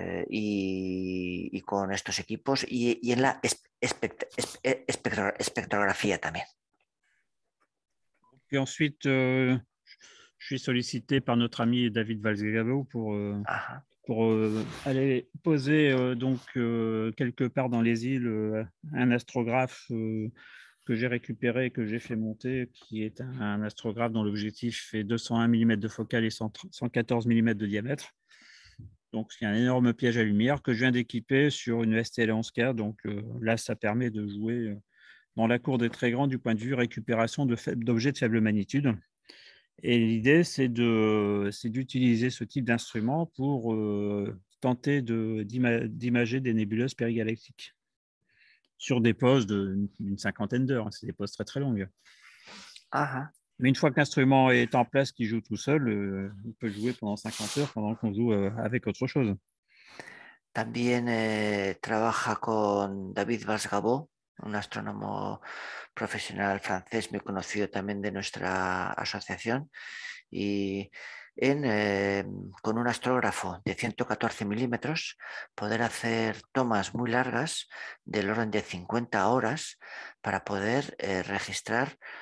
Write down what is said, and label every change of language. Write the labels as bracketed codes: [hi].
[es] Y con estos equipos y en la espectrografía también. [fr] Puis ensuite, je suis sollicité par notre ami David Valsgabo pour aller poser quelque part dans les îles un astrographe que j'ai récupéré, que j'ai fait monter, qui est un astrographe dont l'objectif est 201 mm de focale et 114 mm de diamètre. Donc, c'est un énorme piège à lumière que je viens d'équiper sur une STL-11K. Donc là, ça permet de jouer. Dans la cour des très grands, du point de vue récupération d'objets de faible magnitude. Et l'idée, c'est d'utiliser ce type d'instrument pour tenter d'imager des nébuleuses périgalactiques sur des poses d'une cinquantaine d'heures. Hein, c'est des poses très très longues. Mais une fois que l'instrument est en place, qu'il joue tout seul, il peut jouer pendant 50 heures pendant qu'on joue avec autre chose. [es] También trabaja con David Valsgabo, un astrónomo profesional francés muy conocido también de nuestra asociación, y con un astrógrafo de 114 milímetros, poder hacer tomas muy largas del orden de 50 horas para poder registrar